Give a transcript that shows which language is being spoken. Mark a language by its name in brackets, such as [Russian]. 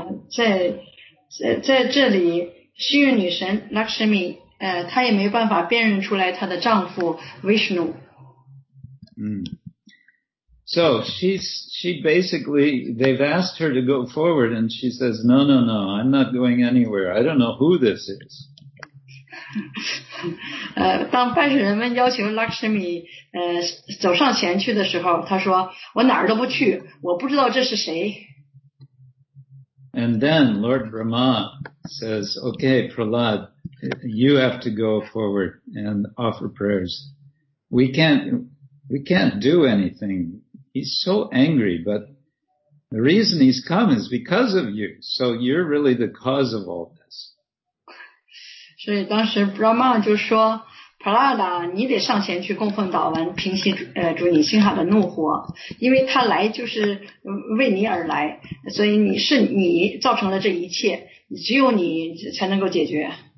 [Chinese] 在这里，幸运女神 Lakshmi, 她也没办法辨认出来她的丈夫 Vishnu. [English] So she basically, they've asked her to go forward and she says, no, I'm not going anywhere. I don't know who this is. [Chinese] 当拜神人们要求 Lakshmi 走上前去的时候，他说：“我哪儿都不去，我不知道这是谁。” [English] And then Lord Brahma says, "Okay, Prahlad, you have to go forward and offer prayers. We can't do anything. He's so angry, but the reason he's come is because of you. So you're really the cause of all this." [Chinese] 所以当时 Brahma 就说 ,Prahlad, 你得上前去供奉祷文，平息主你心海的怒火，因为他来就是为你而来，所以你是你造成了这一切，只有你才能够解决。